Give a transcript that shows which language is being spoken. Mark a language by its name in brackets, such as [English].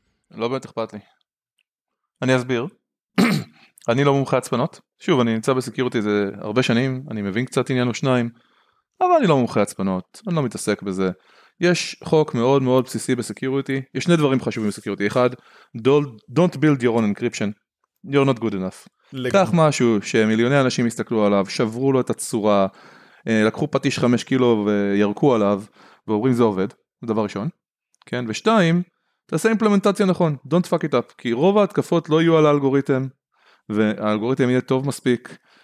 [Hebrew] לא באמת אכפת לי. אני אסביר. אני לא מומחה הצפנות. שוב, אני נמצא בסקיורטי זה הרבה שנים, אני מבין קצת עניין או שניים, אבל אני לא מומחה הצפנות, אני לא מתעסק בזה. יש חוק מאוד מאוד בסיסי בסקיורטי, יש שני דברים חשובים בסקיורטי. [English] אחד, don't build your own encryption, you're not good enough. [Hebrew] קח משהו שמיליוני אנשים הסתכלו עליו, שברו לו את הצורה, לקחו פטיש 5 קילו וירקו עליו, ואומרים זה עובד, זה דבר ראשון. כן? ושתיים, תעשה אימפלמנטציה נכון, [English] don't fuck it up, [Hebrew] כי רוב ההתקפות לא יהיו על האלגוריתם, והאלגוריתם יהיה טוב מספיק,